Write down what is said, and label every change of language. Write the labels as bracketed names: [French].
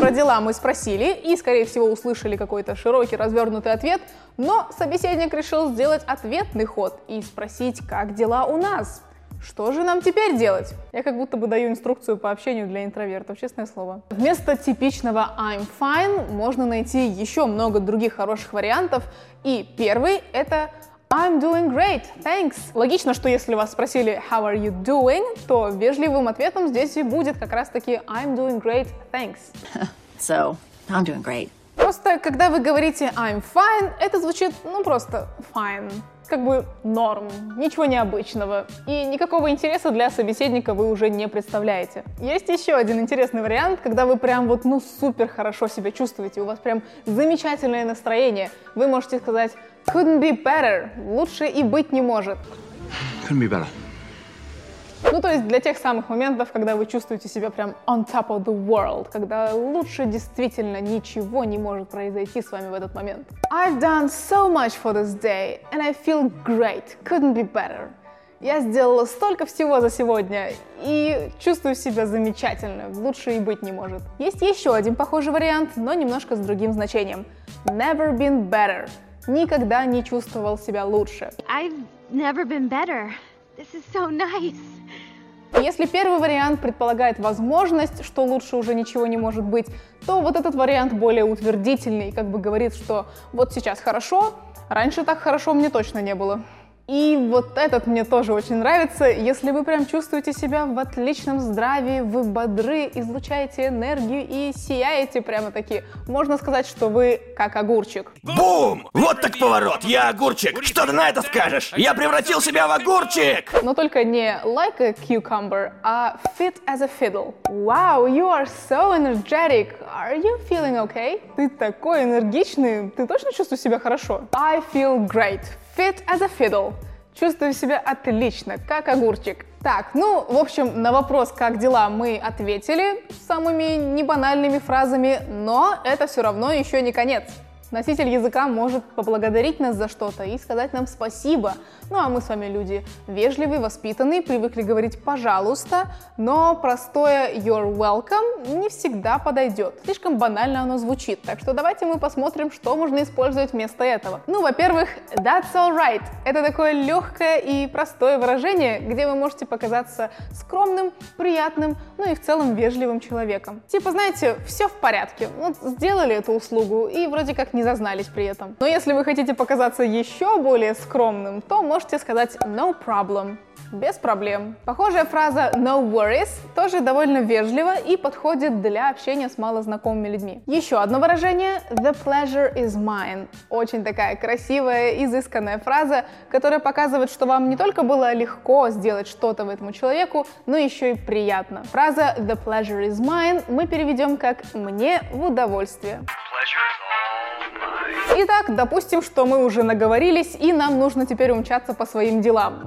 [Russian] Про дела мы спросили и, скорее всего, услышали какой-то широкий, развернутый ответ, но собеседник решил сделать ответный ход и спросить, как дела у нас. Что же нам теперь делать? Я как будто бы даю инструкцию по общению для интровертов, честное слово. Вместо типичного [English] I'm fine [Russian] можно найти еще много других хороших вариантов. И первый — это [English] I'm doing great, thanks. [Russian] Логично, что если вас спросили [English] how are you doing, [Russian] то вежливым ответом здесь и будет как раз-таки [English] I'm doing great, thanks. So, I'm doing great. [Russian] Просто, когда вы говорите [English] I'm fine, [Russian] это звучит, ну, просто fine. Как бы норм, ничего необычного, и никакого интереса для собеседника вы уже не представляете. Есть еще один интересный вариант, когда вы прям вот ну супер хорошо себя чувствуете, у вас прям замечательное настроение, вы можете сказать [English] couldn't be better, [Russian] лучше и быть не может. [English] Couldn't be better. [Russian] Ну то есть для тех самых моментов, когда вы чувствуете себя прям [English] on top of the world, [Russian] когда лучше действительно ничего не может произойти с вами в этот момент. [English] I've done so much for this day, and I feel great. Couldn't be better. [Russian] Я сделала столько всего за сегодня и чувствую себя замечательно. Лучше и быть не может. Есть еще один похожий вариант, но немножко с другим значением. [English] Never been better. [Russian] Никогда не чувствовал себя лучше. [English] I've never been better. This is so nice. [Russian] Если первый вариант предполагает возможность, что лучше уже ничего не может быть, то вот этот вариант более утвердительный, как бы говорит, что вот сейчас хорошо, раньше так хорошо мне точно не было. И вот этот мне тоже очень нравится, если вы прям чувствуете себя в отличном здравии, вы бодры, излучаете энергию и сияете прямо-таки. Можно сказать, что вы как огурчик. Бум! Вот так поворот! Я огурчик! Что ты на это скажешь? Я превратил себя в огурчик! Но только не [English] like a cucumber, [Russian] а [English] fit as a fiddle. Wow, you are so energetic! Are you feeling okay? [Russian] Ты такой энергичный, ты точно чувствуешь себя хорошо? [English] I feel great. Fit as a fiddle. [Russian] Чувствую себя отлично, как огурчик. Так, ну, в общем, на вопрос, как дела, мы ответили самыми небанальными фразами, но это все равно еще не конец. Носитель языка может поблагодарить нас за что-то и сказать нам спасибо. Ну, а мы с вами люди вежливые, воспитанные, привыкли говорить «пожалуйста», но простое [English] «you're welcome» [Russian] не всегда подойдет. Слишком банально оно звучит, так что давайте мы посмотрим, что можно использовать вместо этого. Ну, во-первых, [English] «that's alright» [Russian] — это такое легкое и простое выражение, где вы можете показаться скромным, приятным, ну и в целом вежливым человеком. Типа, знаете, все в порядке, вот сделали эту услугу и вроде как не зазнались при этом. Но если вы хотите показаться еще более скромным, то можете сказать [English] no problem, [Russian] без проблем. Похожая фраза [English] no worries [Russian] тоже довольно вежлива и подходит для общения с малознакомыми людьми. Еще одно выражение [English] the pleasure is mine. [Russian] Очень такая красивая, изысканная фраза, которая показывает, что вам не только было легко сделать что-то этому человеку, но еще и приятно. Фраза [English] the pleasure is mine [Russian] мы переведем как мне в удовольствие. Итак, допустим, что мы уже наговорились, и нам нужно теперь умчаться по своим делам.